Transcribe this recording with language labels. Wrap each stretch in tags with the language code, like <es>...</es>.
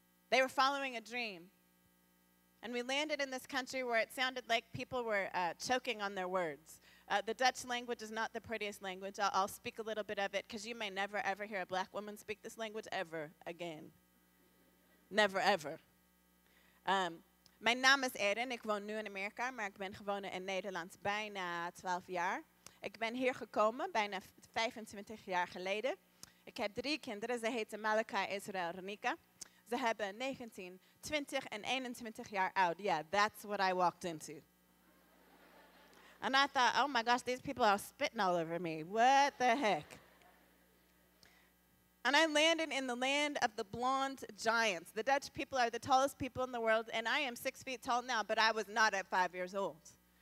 <en>They were following a dream. And we landed in this country where it sounded like people were choking on their words. The Dutch language is not the prettiest language. I'll speak a little bit of it because you may never, ever hear a black woman speak this language ever again. Never, ever.</en> <nl>Mijn naam is Erin. Ik woon nu in Amerika, maar ik ben gewoond in Nederland bijna 12 jaar. Ik ben hier gekomen bijna 25 jaar geleden. Ik heb 3 kinderen. Ze heten Malika, Israël, Renika. Ze hebben 19, 20 en 21 jaar oud.</nl> <en>Yeah, that's what I walked into. And I thought, oh my gosh, these people are spitting all over me. What the heck? And I landed in the land of the blonde giants. The Dutch people are the tallest people in the world, and I am 6 feet tall now, but I was not at 5 years old.</en>